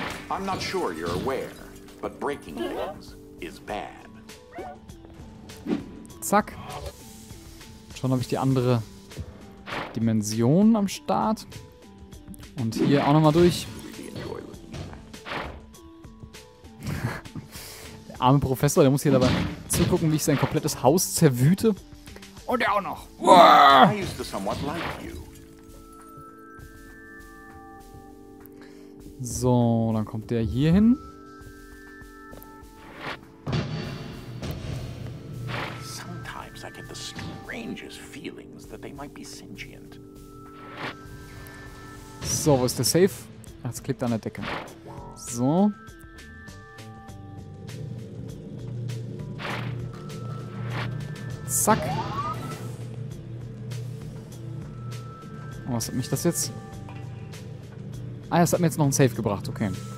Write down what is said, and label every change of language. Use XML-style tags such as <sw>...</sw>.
<en>I'm not sure you're aware, but breaking things is bad.</en> <de>Zack. Schon habe ich die andere Dimension am Start. Und hier auch nochmal durch. Der arme Professor, der muss hier dabei zugucken, wie ich sein komplettes Haus zerwüte. Und der auch noch.</de> <en>I used to somewhat like you.</en> <de>So, dann kommt der hier hin.</de> <en>Sometimes I get the strangest feelings that they might be sentient.</en> <de>So, wo ist der Safe? Ach, es klebt an der Decke. So. Zack. Was hat mich das jetzt? Ah, es hat mir jetzt noch ein Safe gebracht, okay.</de>